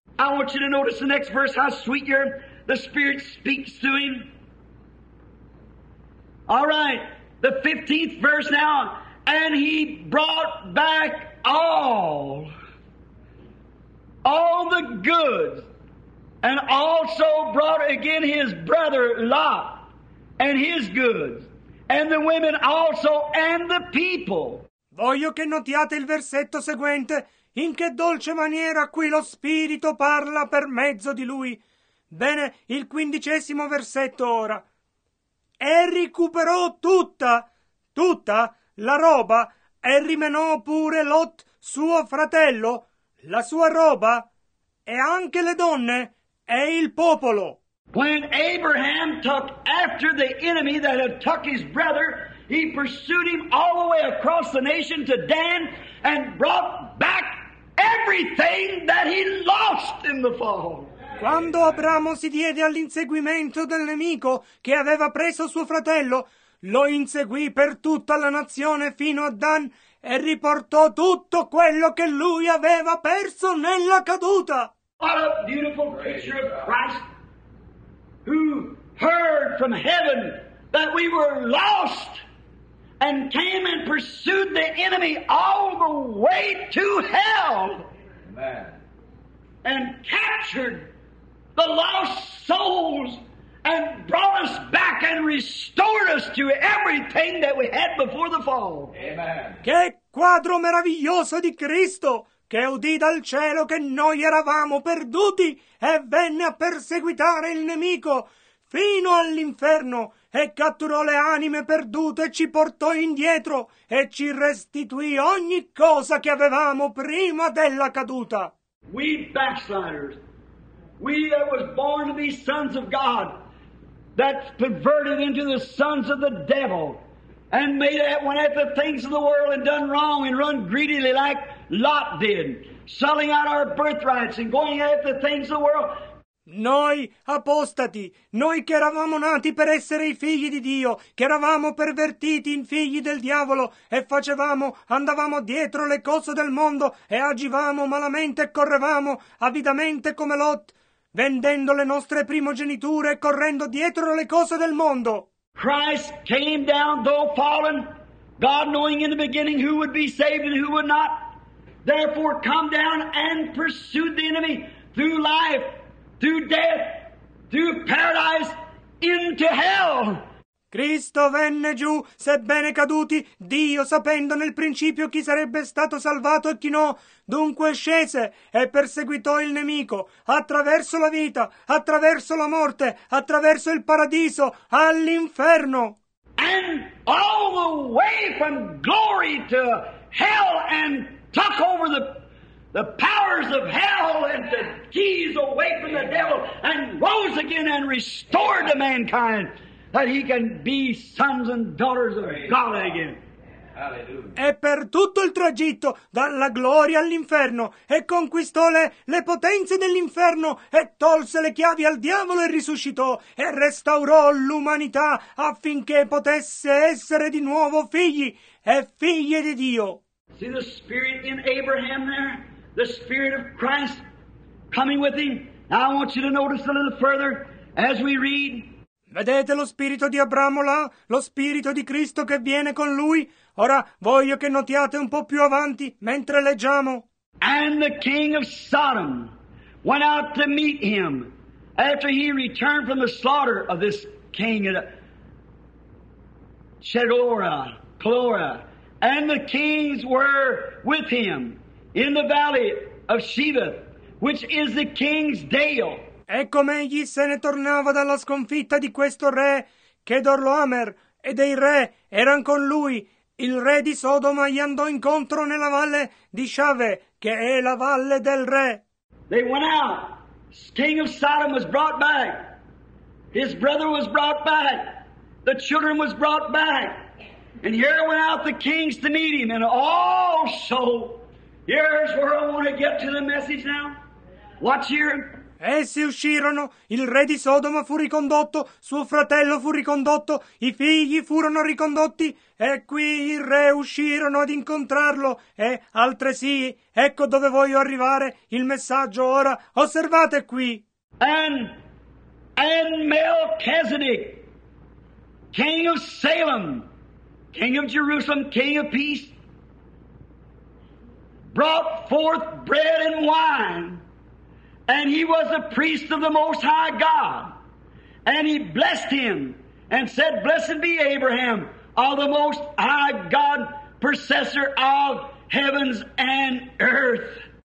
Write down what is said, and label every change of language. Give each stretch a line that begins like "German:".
English: I want you to notice the next verse, how sweet here the Spirit speaks to him. All right, the 15th verse now. And he brought back all the goods, and also brought again his brother Lot and his goods, and the women also, and the people.
Italian: Voglio che notiate il versetto seguente, in che dolce maniera qui lo Spirito parla per mezzo di lui. Bene, il 15° versetto ora. E recuperò tutta la roba, e rimenò pure Lot, suo fratello, la sua roba, e anche le donne e il popolo.
English: When Abraham took after the enemy that had took his brother, he pursued him all the way across the nation to Dan and brought back everything that he lost in the fall.
Italian: Quando Abramo si diede all'inseguimento del nemico che aveva preso suo fratello, lo inseguì per tutta la nazione fino a Dan e riportò tutto quello che lui aveva perso nella caduta.
English: What a beautiful picture of Christ who heard from heaven that we were lost and came and pursued the enemy all the way to hell. Amen. And captured the lost souls and brought us back and restored us to everything that we had before the fall. Amen.
Italian: Che quadro meraviglioso di Cristo, che udì dal cielo che noi eravamo perduti e venne a perseguitare il nemico fino all'inferno e catturò le anime perdute e ci portò indietro e ci restituì ogni cosa che avevamo prima della caduta.
English: We backsliders, we that was born to be sons of God, that's perverted into the sons of the devil, and made that one at the things of the world and done wrong and run greedily like Lot did, selling out our birthrights and going after the things of the world.
Italian: Noi apostati, noi che eravamo nati per essere i figli di Dio, che eravamo pervertiti in figli del diavolo e andavamo dietro le cose del mondo e agivamo malamente e correvamo avidamente come Lot, vendendo le nostre primogeniture e correndo dietro le cose del mondo.
English: Christ came down though fallen, God knowing in the beginning who would be saved and who would not, therefore come down and pursued the enemy through life, through death, through paradise, into hell.
Italian: Cristo venne giù, sebbene caduti, Dio sapendo nel principio chi sarebbe stato salvato e chi no, dunque scese e perseguitò il nemico attraverso la vita, attraverso la morte, attraverso il paradiso, all'inferno.
English: And all the way from glory to hell and took over the powers of hell and the keys away from the devil and rose again and restored to mankind that he can be sons and daughters of God again. Amen. Hallelujah.
Italian: E per tutto il tragitto dalla gloria all'inferno, e conquistò le potenze dell'inferno, e tolse le chiavi al diavolo, e risuscitò, e restaurò l'umanità affinché potesse essere di nuovo figli e figlie di Dio.
English: See the spirit in Abraham there? The spirit of Christ coming with him? Now I want you to notice a little further as we read.
Italian: Vedete lo spirito di Abramo là? Lo spirito di Cristo che viene con lui? Ora voglio che notiate un po' più avanti mentre leggiamo.
English: And the king of Sodom went out to meet him after he returned from the slaughter of this king of Chedorlaomer. And the kings were with him in the valley of Sheba, which is the king's dale.
Italian: E come egli se ne tornava dalla sconfitta di questo re Chedorlaomer, e dei re erano con lui, il re di Sodoma gli andò incontro nella valle di Shave, che è la valle del re.
English: They went out. The king of Sodom was brought back. His brother was brought back. The children was brought back. And here went out the kings to meet him. And also, here's where I want to get to the message now. Watch here.
Italian: Essi uscirono, il re di Sodoma fu ricondotto, suo fratello fu ricondotto, i figli furono ricondotti, e qui il re uscirono ad incontrarlo, e altresì, ecco dove voglio arrivare il messaggio ora, osservate qui.
English: And Melchizedek, king of Salem, king of Jerusalem, king of peace, brought forth bread and wine. And he was a priest of the Most High God. And he blessed him and said, Blessed be Abraham of the Most High God, possessor of heavens and earth.